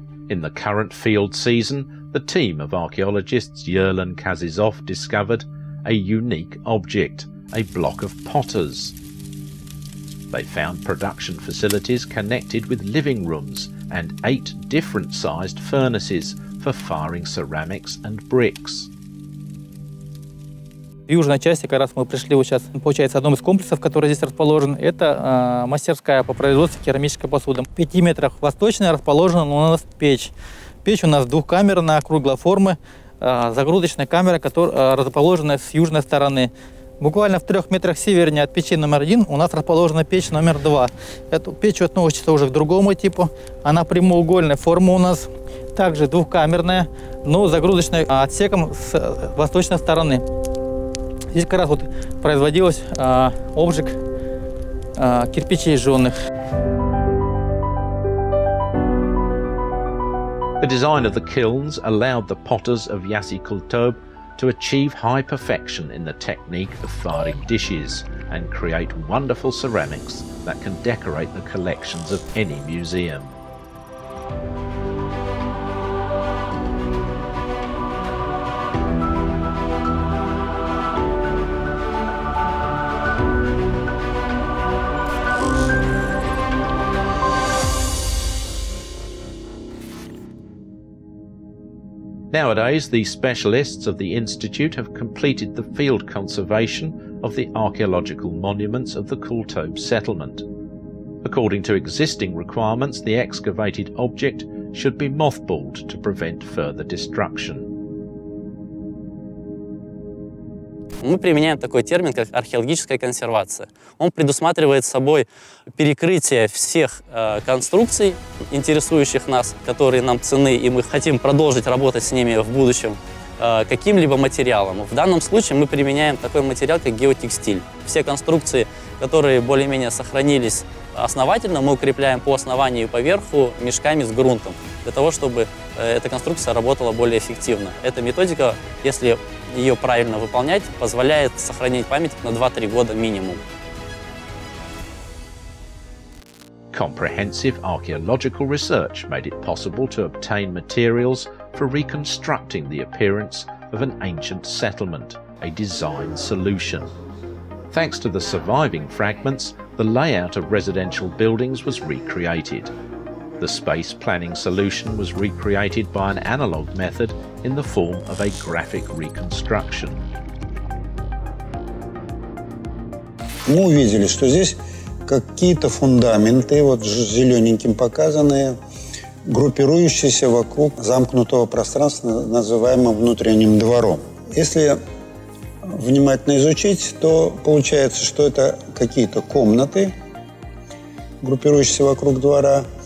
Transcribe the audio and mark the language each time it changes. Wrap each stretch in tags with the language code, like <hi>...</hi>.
<en>In the current field season, the team of archaeologists Yerlan Kazizov discovered a unique object, a block of potters. They found production facilities connected with living rooms and 8 different sized furnaces for firing ceramics and bricks.</en> <ru>В южной части, как раз мы пришли вот сейчас, получается, одном из комплексов, который здесь расположен, это мастерская по производству керамической посуды. В 5 метрах восточной расположена у нас печь. Печь у нас двухкамерная, круглой формы, загрузочная камера, которая расположена с южной стороны. Буквально в 3 метрах севернее от печи номер 1 у нас расположена печь номер 2. Эту печь относится уже к другому типу. Она прямоугольной формы у нас, также двухкамерная, но с загрузочным отсеком с восточной стороны. Здесь как раз вот производилась обжиг кирпичей жженых.</ru> <en>The design of the kilns allowed the potters of Yasi Kultobe to achieve high perfection in the technique of firing dishes and create wonderful ceramics that can decorate the collections of any museum. Nowadays, the specialists of the Institute have completed the field conservation of the archaeological monuments of the Kultobe settlement. According to existing requirements, the excavated object should be mothballed to prevent further destruction.</en> <ru>Мы применяем такой термин, как археологическая консервация. Он предусматривает собой перекрытие всех конструкций, интересующих нас, которые нам ценны, и мы хотим продолжить работать с ними в будущем, каким-либо материалом. В данном случае мы применяем такой материал, как геотекстиль. Все конструкции, которые более-менее сохранились основательно, мы укрепляем по основанию и поверху мешками с грунтом, для того, чтобы эта конструкция работала более эффективно. Эта методика, если ее правильно выполнять, позволяет сохранить память на 2-3 года минимум.</ru> <en>Comprehensive archaeological research made it possible to obtain materials for reconstructing the appearance of an ancient settlement, a design solution. Thanks to the surviving fragments, the layout of residential buildings was recreated. The space planning solution was recreated by an analog method in the form of a graphic reconstruction.</en> <ru>Мы увидели, что здесь какие-то фундаменты, вот зелененьким показанные, группирующиеся вокруг замкнутого пространства, называемого внутренним двором. Если внимательно изучить, то получается, что это какие-то комнаты, группирующиеся вокруг двора.</ru>